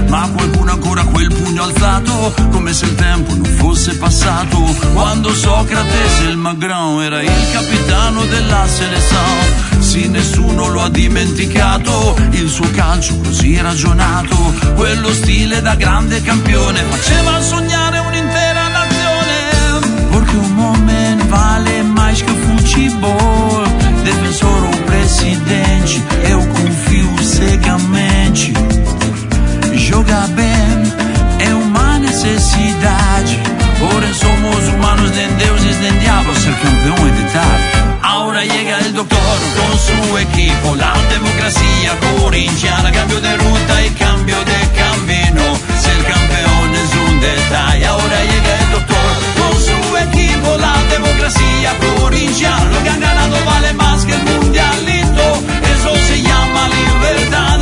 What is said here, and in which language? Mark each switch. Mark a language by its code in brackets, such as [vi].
[it] Ma qualcuno ancora quel pugno alzato, come se il tempo non fosse passato, quando Socrate Selmagrão era il capitano della Selezione. Sì, nessuno lo ha dimenticato, il suo calcio così ragionato, quello stile da grande campione, faceva sognare un'intera nazione. Perché un [pt] moment vale mais que o futebol, defensor ou presidente, eu confio cegamente. Jogar bem é uma necessidade, porém somos humanos, nem deuses, nem diabos, ser campeão é detalhe. [es] Ahora llega el doctor con su equipo, la democracia corinthiana, cambio de ruta y cambio de camino, ser campeón es un detalle. Ahora llega el doctor con su equipo, la democracia corinthiana, lo que han ganado vale más que el mundialito, eso se llama libertad.